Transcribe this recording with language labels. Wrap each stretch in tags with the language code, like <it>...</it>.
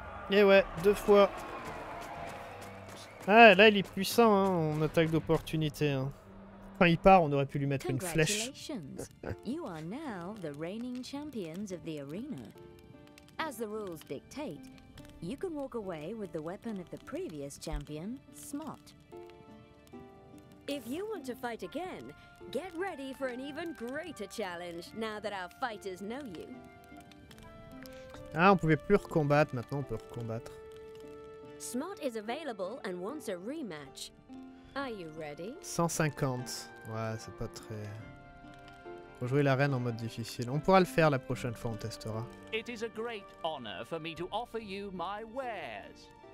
<fr>Et ouais, deux fois. Ah, là, il est puissant, hein. On attaque d'opportunité. Hein. Quand il part, on aurait pu lui mettre une flèche.</fr> <en>You are now the reigning champions of the arena. As the rules dictate, you can walk away with the weapon of the previous champion, Smot. If you want to fight again, get ready for an even greater challenge now that our fighters know you.</en> <fr>Ah, on pouvait plus recombattre, maintenant on peut recombattre.</fr> <en>Smart is available and wants a rematch. Are you ready?</en> <fr>150. Ouais, c'est pas très... Faut jouer l'arène en mode difficile. On pourra le faire la prochaine fois, on testera.</fr> <en>It is a great honor for me to offer you my wares.</en>